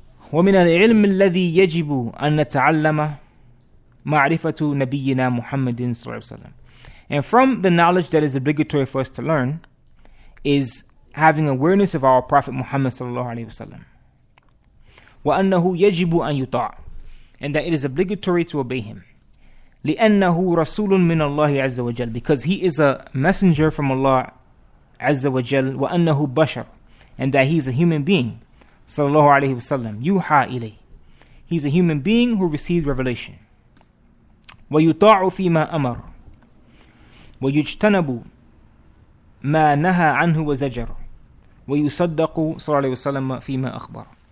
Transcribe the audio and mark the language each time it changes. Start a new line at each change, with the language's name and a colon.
Arabic: وَمِنَ الْعِلْمِ الَّذِي يَجِبُ أَن نَتَعَلَّمَ مَعْرِفَةُ نَبِيِّنَا مُحَمَّدٍ صَلَّى اللَّهُ عَلَيْهِ وَسَلَّمَ.
English: And from the knowledge that is obligatory for us to learn is having awareness of our Prophet Muhammad sallallahu alaihi wasallam.
Arabic: وَأَنَّهُ يَجِبُ أَن يُطَاعَ,
English: and that it is obligatory to obey him.
Arabic: لِأَنَّهُ رَسُولٌ مِنَ اللَّهِ عَزَّ وَجَلَّ,
English: because he is a messenger from Allah عَزَّ وَجَلَّ.
Arabic: وَأَنَّهُ بَشَرٌ,
English: and that he is a human being. Sallallahu alaihi wasallam.
Arabic: يُوحَى إِلَيْهِ,
English: he is a human being who received revelation.
Arabic: وَيُطَاعُ فِيمَا أَمَرَ وَيُجْتَنَبُ مَا نَهَى عَنْهُ وَزَجَرُ وَيُصَدَّقُ صَلَى اللَّهِ وَسَلَّمَ فِيمَا أَخْبَرُ.